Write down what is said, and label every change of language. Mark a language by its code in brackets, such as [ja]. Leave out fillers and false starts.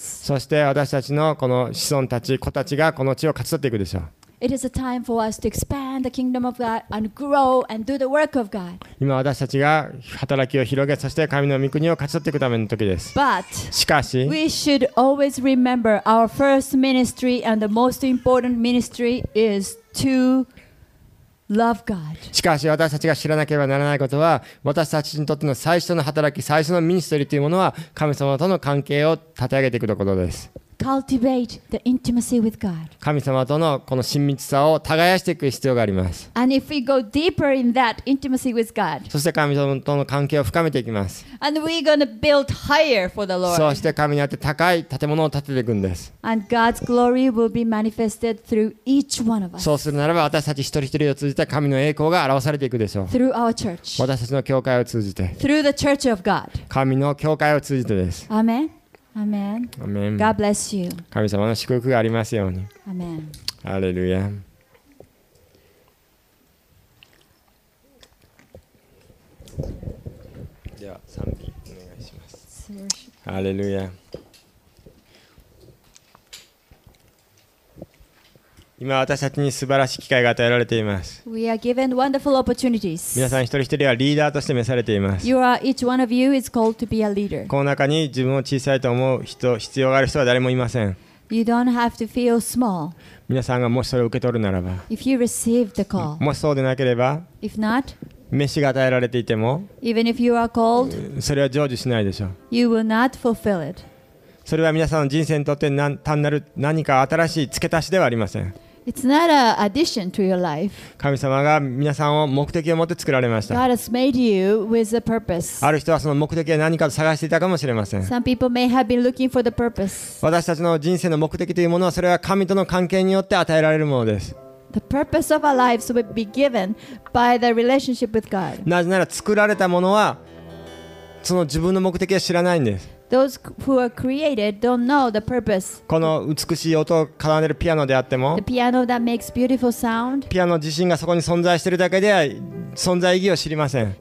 [ja] そして私たちのこの子孫たち、子たちがこの地を勝ち取っていくでしょう。 [en] It is a time for us to expand the kingdom of God and grow and do the work of God. [ja] 今私たちが働きを広げ、そして神の御国を勝ち取っていくための時です。 [en] But [ja] しかし、 [en] we should always remember our first ministry and the most important ministry is to love God. [ja] しかし私たちが知らなければならないことは、私たちにとっての最初の働き、最初のミニストリーというものは神様との関係を立て上げていくことです。 [en] Cultivate the intimacy with God. [ja] 神様とのこの親密さを耕していく必要があります。 [en] And if we go deeper in that intimacy with God, [ja] そして神様との関係を深めていきます。 [en] And we're gonna build higher for the Lord. [ja] そして神にあって高い建物を建てていくんです。 [en] And God's glory will be manifested through each one of us. [ja] そうするならば私たち一人一人を通じて神の栄光が表されていくでしょう。 [en] Through our church. [ja] 私たちの教会を通じて。 [en] Through the church of God. [ja] 神の教会を通じてです。 [en] Amen. Amen. Amen. God bless you. [ja] 神様の祝福がありますように。 [en] Amen. [ja] ハレルヤ。では賛美お願いします。ハレルヤ。今私たちに素晴らしい機会が与えられています。 [en] We are given wonderful opportunities. [ja] 皆さん一人一人はリーダーとして召されています。 [en] you are, each one of you is called to be a leader. [ja] この中に自分を小さいと思う人、必要がある人は誰もいません。 [en] you don't have to feel small. [ja] 皆さんがもしそれを受け取るならば、 [en] if you receive the call. [ja] もしそうでなければ [en] if not, [ja] 召しが与えられていても [en] even if you are called, [ja] それは成就しないでしょう。 [en] you will not fulfill it. [ja] それは皆さんの人生にとって単なる何か新しい付け足しではありません。 [en] It's not an addition to your life. [ja] 神様が皆さんを目的を持って作られました。 [en] God has made you with a purpose. [ja] ある人はその目的は何かを探していたかもしれません。 [en] Some people may have been looking for the purpose. [ja] 私たちの人生の目的というものは、それは神との関係によって与えられるものです。 [en] The purpose of our lives will be given by the relationship with God. [ja] なぜなら作られたものは、その自分の目的は知らないんです。 [en] Those who are created don't know the purpose. [ja] この美しい音を奏でるピアノであっても、 [en] the piano that makes beautiful sound, [ja] ピアノ自身がそこに存在しているだけでは存在意義を知りません。